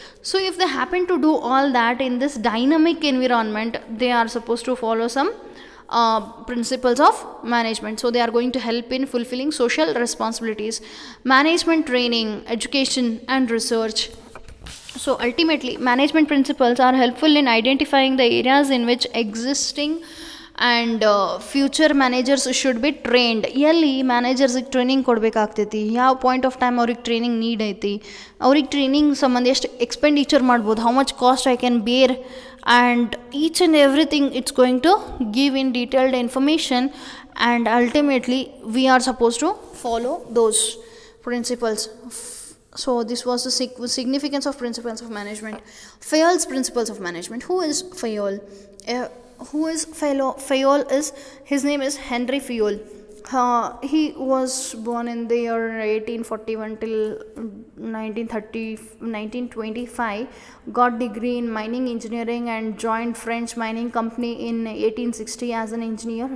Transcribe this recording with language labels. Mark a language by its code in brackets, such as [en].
[en] So if they happen to do all that in this dynamic environment, they are suppose to follow some principles of management. So they are going to help in fulfilling social responsibilities, management training, education and research. So ultimately, management principles are helpful in identifying the areas in which existing and future managers should be trained. [kn] ಎಲ್ಲಿ ಮ್ಯಾನೇಜರ್ಸಿಗೆ training ಕೊಡಬೇಕಾಗ್ತೈತಿ, ಯಾವ point of time ಅವ್ರಿಗೆ training need ಐತಿ, ಅವ್ರಿಗೆ training ಸಂಬಂಧ ಎಷ್ಟು expenditure ಮಾಡ್ಬೋದು, [en] How much cost I can bear, and each and everything it's going to give in detailed information, and ultimately we are suppose to follow those principles. So this was the significance of principles of management. Fayol's principles of management. Who is Fayol? Who is Fayol? Fayol is, his name is Henry Fayol. He was born in the year 1841 till 1925, got degree in mining engineering and joined French mining company in 1860 as an engineer.